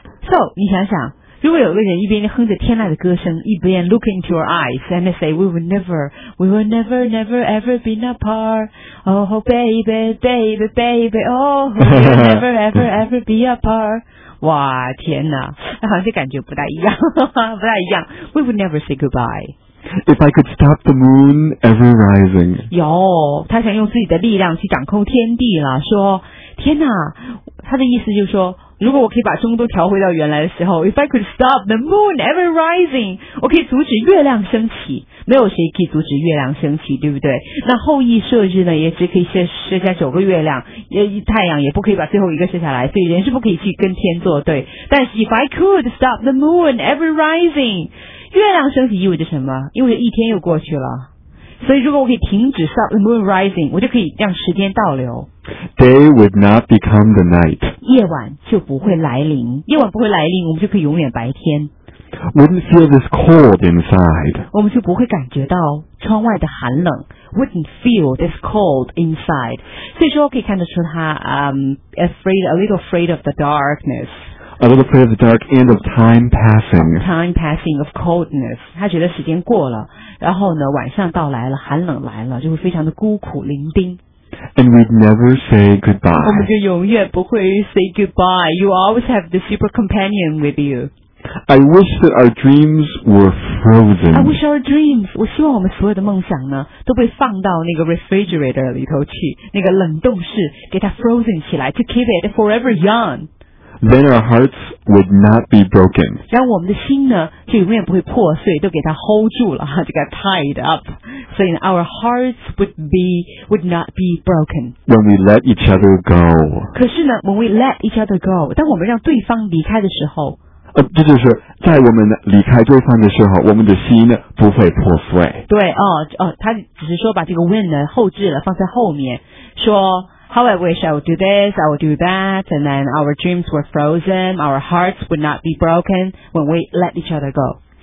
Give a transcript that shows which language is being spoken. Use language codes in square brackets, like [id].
[en] So [zh] 你想想，如果有个人一边哼着天籁的歌声，一边 [en] look into your eyes and say we will never, we will never, never ever be apart. Oh baby, baby, baby, oh we will never ever ever be apart. [zh] 哇天哪，好像这感觉不大一样，不大一样。 [en] We will never say goodbye. If I could stop the moon ever rising. [zh] 有，他想用自己的力量去掌控天地了，说天哪，他的意思就是说，如果我可以把中都调回到原来的时候， [en] If I could stop the moon ever rising， [zh] 我可以阻止月亮升起。没有谁可以阻止月亮升起，对不对？那后羿射日呢，也只可以射下九个月亮，太阳也不可以把最后一个射下来，所以人是不可以去跟天作对。但是 [en] If I could stop the moon ever rising， [zh] 月亮升起意味着什么？因为一天又过去了，所以如果我可以停止 [en] stop the moon rising， [zh] 我就可以让时间倒流。 [en] Day would not become the night， [zh] 夜晚就不会来临，夜晚不会来临，我们就可以永远白天。 [en] Wouldn't feel this cold inside， [zh] 我们就不会感觉到窗外的寒冷。 [en] Wouldn't feel this cold inside， [zh] 所以说可以看得出他、 [en] a little afraid of the darkness。 A little afraid of the dark and of time passing. Time passing of coldness. [zh] 他觉得时间过了，然后呢，晚上到来了，寒冷来了，就会非常的孤苦伶仃。 [en] And we'd never say goodbye. [zh] 我们就永远不会 [en] say goodbye. You always have the super companion with you. I wish that our dreams were frozen. I wish our dreams. [zh] 我希望我们所有的梦想呢，都被放到那个 refrigerator 里头去，那个冷冻室，给它 frozen 起来 ， [en] to keep it forever young. Then our hearts would not be broken. [zh] 让我们的心呢，就永远不会破碎，都给它 hold 住了，就给它 [en] tied up. So our hearts would not be broken. When we let each other go. [zh] 可是呢 ， [en] when we let each other go， [zh] 当我们让对方离开的时候，这就是在我们离开对方的时候，我们的心呢不会破碎。对哦哦，他只是说把这个 when 呢后置了，放在后面说。 [en] How I wish I would do this, I would do that, and then our dreams were frozen, our hearts would not be broken when we let each other go.